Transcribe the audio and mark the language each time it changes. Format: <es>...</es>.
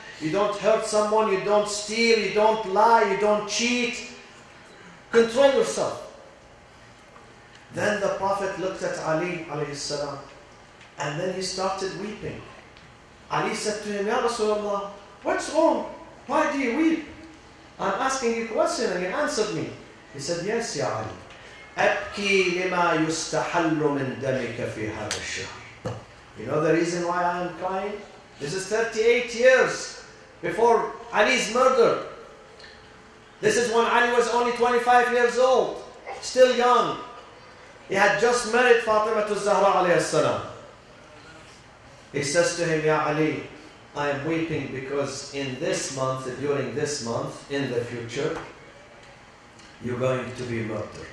<en>You don't hurt someone, you don't steal, you don't lie, you don't cheat. Control yourself. Then the Prophet looked at Ali alayhi salam, and then he started weeping. Ali said to him, Ya Rasulullah, what's wrong? Why do you weep? I'm asking you a question and you answered me. He said, Yes, Ya Ali.</en> <ar>أبكي لما يستحل من دمك في هذا الشهر.</ar> <en>You know the reason why I am crying? This is 38 years. Before Ali's murder. This is when Ali was only 25 years old, still young. He had just married Fatima al-Zahra alayhi salam. He says to him, Ya Ali, I am weeping because in this month, during this month, in the future, you're going to be murdered.</en>